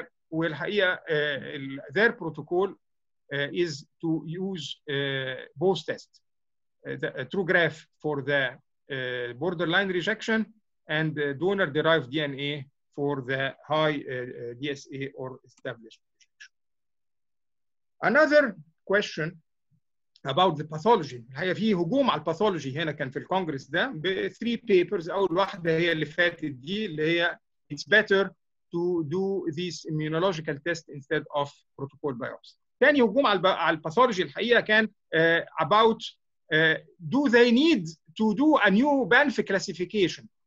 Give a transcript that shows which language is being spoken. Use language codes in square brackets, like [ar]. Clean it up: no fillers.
[en] Well, their protocol is to use both tests, the TrueGraph for the borderline rejection and donor-derived DNA for the high DSA or established. Another question about the pathology. [ar] هي في هجوم على pathology هنا كان في الكونغرس ده [en] three papers. [ar] أول واحدة هي اللي فاتت دي اللي هي [en] it's better to do this immunological test instead of protocol biopsy. [ar] ثاني هجوم على pathology الحقيقة كان [en] about do they need to do a new BANF classification.